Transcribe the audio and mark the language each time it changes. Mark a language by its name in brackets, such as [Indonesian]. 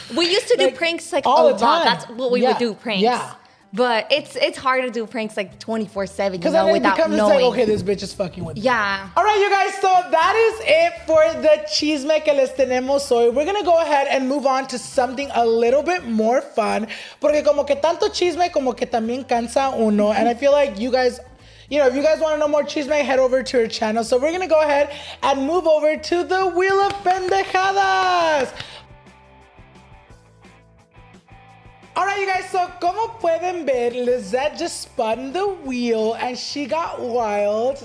[English] We used to do like, pranks, like, all a the time. Lot. That's what we yeah. would do, pranks. Yeah. But it's hard to do pranks like 24/7, you know, without knowing. Because then it's like, okay, this bitch is fucking with me. Yeah. All right, you guys. So that is it for the chisme [Spanish] que les tenemos hoy. [English] We're going to go ahead and move on to something a little bit more fun. [Spanish] Porque como que tanto chisme como que también cansa uno. [English] And I feel like you guys, you know, if you guys want to know more chisme, head over to her channel. So we're going to go ahead and move over to the Wheel of Pendejadas. All right, you guys, so [Spanish] como pueden ver, [English] Lizette just spun the wheel and she got wild.